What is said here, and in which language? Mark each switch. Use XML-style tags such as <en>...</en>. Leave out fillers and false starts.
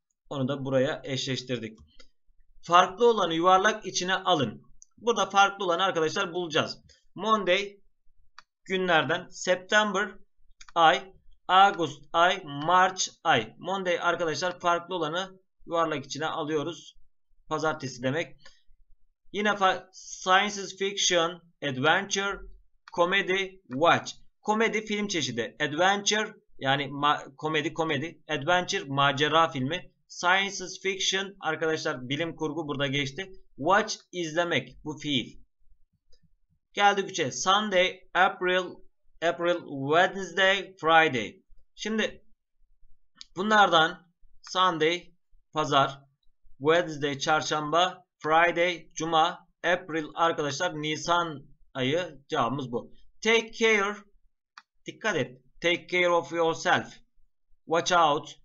<tr>Onu da buraya eşleştirdik. Farklı olanı yuvarlak içine alın. Burada farklı olanı arkadaşlar bulacağız. Monday günlerden September ay, August ay, March ay. Monday arkadaşlar farklı olanı yuvarlak içine alıyoruz. Pazartesi demek.</tr> <en>Yine science fiction, adventure, comedy, watch.</en> <tr>Komedi film çeşidi. Adventure yani komedi. Adventure macera filmi. Science fiction arkadaşlar bilim kurgu burada geçti. Watch izlemek bu fiil. Geldik 3'e.</tr> <en>Sunday, April, Wednesday, Friday.</en> <tr>Şimdi bunlardan Sunday pazar, Wednesday çarşamba, Friday cuma, April arkadaşlar Nisan ayı cevabımız bu.</tr> <en>Take care.</en> <tr>Dikkat et.</tr> <en>Take care of yourself. Watch out.</en>